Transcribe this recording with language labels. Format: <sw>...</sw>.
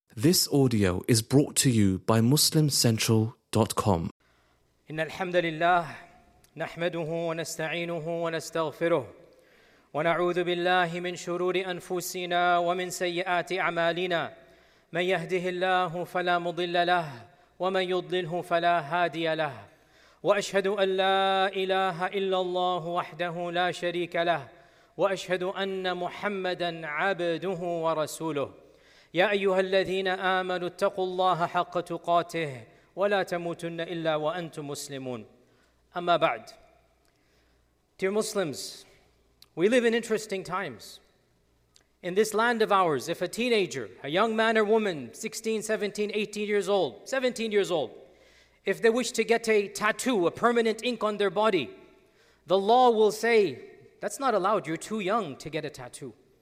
<en>This audio is brought to you by MuslimCentral.com.</en> <ar>إن الحمد لله نحمده ونستعينه ونستغفره ونعوذ بالله من شرور أنفسنا ومن سيئات أعمالنا من يهده الله فلا مضل له ومن يضلله فلا هادي له وأشهد أن لا إله إلا الله وحده لا شريك له وأشهد أن محمدًا عبده ورسوله يا أيها الذين آمنوا اتقوا الله حق تقاته ولا تموتن إلا وأنتم مسلمون أما بعد.</ar> <en>Dear Muslims, we live in interesting times. In this land of ours, if a teenager, a young man or woman, 16, 17, 18 years old, 17 years old, if they wish to get a tattoo, a permanent ink on their body, the law will say, that's not allowed, you're too young to get a tattoo.</en>